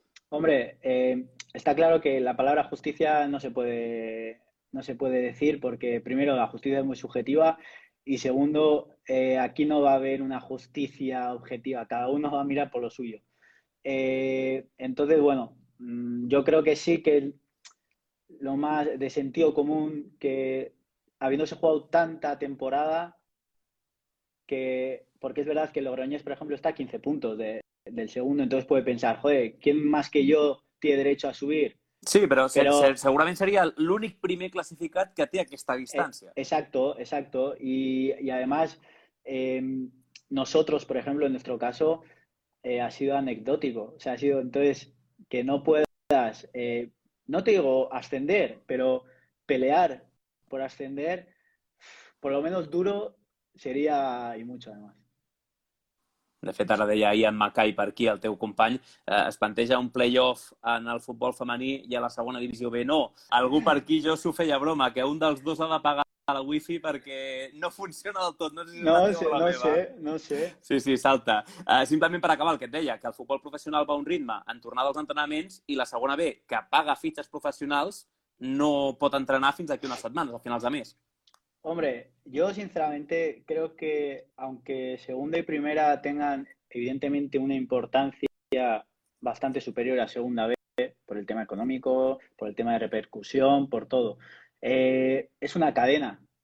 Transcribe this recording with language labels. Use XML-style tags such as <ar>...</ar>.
<es>Hombre, está claro que la palabra justicia no se puede decir porque primero la justicia es muy subjetiva y segundo, aquí no va a haber una justicia objetiva, cada uno va a mirar por lo suyo. Entonces, bueno, yo creo que sí que lo más de sentido común que habiéndose jugado tanta temporada, porque es verdad que Logroñés, por ejemplo, está a 15 puntos del segundo, entonces puede pensar, joder, ¿quién más que yo tiene derecho a subir?</es> <ca>Sí, però</ca> <es>Pero</es> <ca>segurament seria l'únic primer classificat que té aquesta distància.</ca> <es>exacto, y además nosotros, por ejemplo, en nuestro caso, ha sido anecdótico, o sea, ha sido entonces que no puedas, no te digo ascender, pero pelear por ascender, por lo menos duro, sería y mucho además.</es> <ca>De fet, ara deia ahir en Macai per aquí, el teu company, es planteja un playoff en el futbol femení i a la segona divisió B no. Algú per aquí, jo s'ho feia broma, que un dels dos ha de pagar la wifi perquè no funciona del tot. No sé si és la No teva o sé, la no meva. sé, no sé. Sí, salta. Simplement per acabar el que et deia, que el futbol professional va a un ritme en tornar dels entrenaments i la segona B, que paga fitxes professionals, no pot entrenar fins aquí unes setmanes, a finals de mes.</ca> <es>Hombre, yo sinceramente creo que aunque segunda y primera tengan evidentemente una importancia bastante superior a segunda B, por el tema económico, por el tema de repercusión, por todo. Es una cadena.</es>